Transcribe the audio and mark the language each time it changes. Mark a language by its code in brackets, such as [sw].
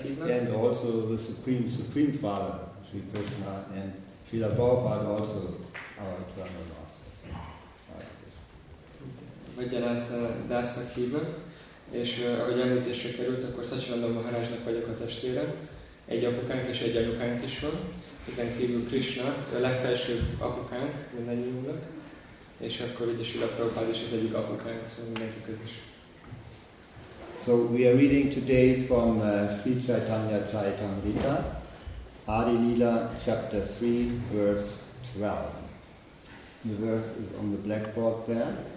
[en] And also the Supreme Father, Sri Krishna, and Srila Prabhupada also our eternal master. Hare Krishna. Vaidyanath Das Akiva. [hu] És ahogy említésre került, akkor Szacsalanda Maharajnak vagyok a testvére. Egy apukánk és egy anyukánk is van. Ezen kívül Krishna, a legfelsőbb apukánk, mindannyiunknak. És akkor ugye Srila Prabhupada is az egyik apukánk, szóval mindenki közös. [en] So we are reading today from Sri Chaitanya Charitamrita, Adi Lila, chapter 3, verse 12. The verse is on the blackboard there.